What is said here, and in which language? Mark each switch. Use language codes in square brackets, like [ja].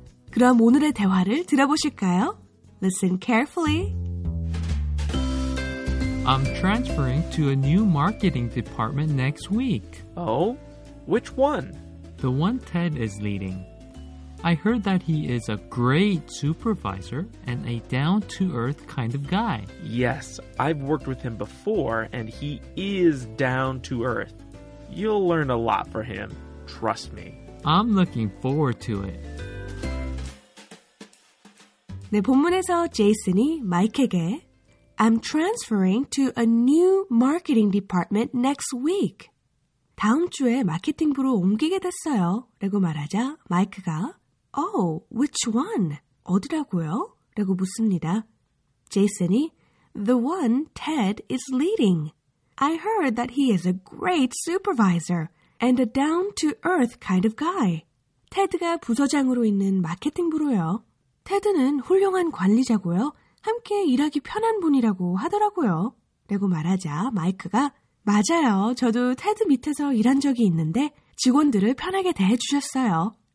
[ko] 그럼 오늘의 대화를 들어보실까요? [en] Listen carefully. I'm transferring to a new marketing department next week. Oh? Which one? The one Ted is leading. I heard that he is a great supervisor and a down-to-earth kind of guy. Yes, I've worked with him before, and he is down-to-earth. You'll learn a lot from him. Trust me. I'm looking forward to it. [ko] 네, 본문에서 제이슨이 마이크에게 [en] I'm transferring to a new marketing department next week. [ko] 다음 주에 마케팅부로 옮기게 됐어요. 라고 말하자 마이크가 [en] Oh, which one? [ko] 어디라고요? 라고 묻습니다. [en] 제이슨이 The one Ted is leading. I heard that he is a great supervisor and a down-to-earth kind of guy. [ko] 테드가 부서장으로 있는 마케팅부로요. 테드는 훌륭한 관리자고요. 함께 일하기 편한 분이라고 하더라고요. 라고 말하자 마이크가 맞아요. 저도 테드 밑에서 일한 적이 있는데 직원들을 편하게 대해주셨어요.